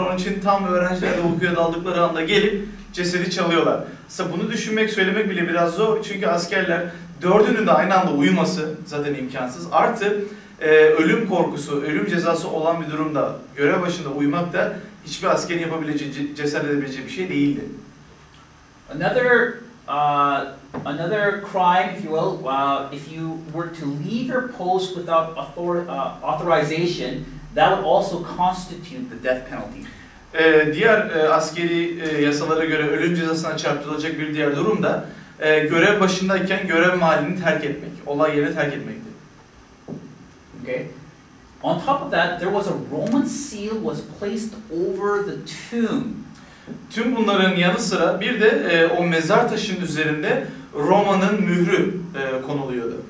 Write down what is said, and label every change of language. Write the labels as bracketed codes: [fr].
[tr] Onun için tam öğrenciler de uykuya daldıkları anda gelip cesedi çalıyorlar. Aslında bunu düşünmek, söylemek bile biraz zor çünkü askerler dördünün de aynı anda uyuması zaten imkansız. Artı ölüm korkusu, ölüm cezası olan bir durumda görev başında uyumak da hiçbir askerin yapabileceği, cesaret edebileceği bir şey değildi. [en] Another crime, if you will, if you were to leave your post without authorization, that would also constitute the death penalty. [tr] Diğer askeri yasalara göre ölüm cezasına çarptırılacak bir diğer durum da görev başındayken görev mahallini terk etmek, olay yerini terk etmekti. [en] Okay. On top of that, there was a Roman seal was placed over the tomb. [tr] Tüm bunların yanı sıra bir de o mezar taşının üzerinde Roma'nın mührü konuluyordu.